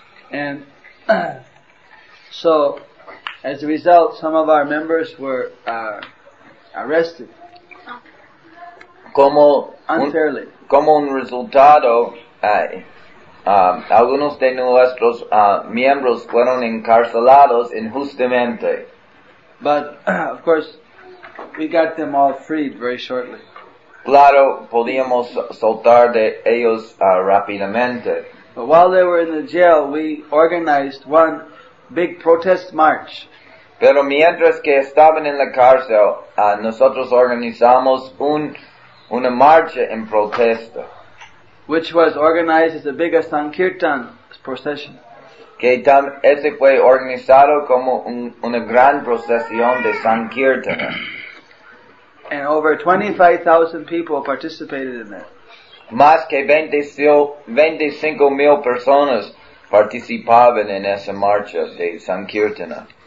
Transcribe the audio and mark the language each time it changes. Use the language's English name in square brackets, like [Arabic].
[English] And so as a result some of our members were arrested. [Spanish] Como [English] unfairly. [Spanish] Como un resultado, algunos de nuestros miembros fueron encarcelados injustamente. [English] But, of course, we got them all freed very shortly. [Spanish] Claro, podíamos soltar de ellos rápidamente. [English] But while they were in the jail, we organized one big protest march. [Spanish] Pero mientras que estaban en la cárcel, nosotros organizamos una marcha en protesta. [English] Which was organized as a big Sankirtan procession. [Spanish] Ese fue organizado como una gran procesión de Sankirtan. [English] And over 25,000 people participated in that. [Spanish] Más que 25,000 personas participaban en esa marcha de Sankirtana.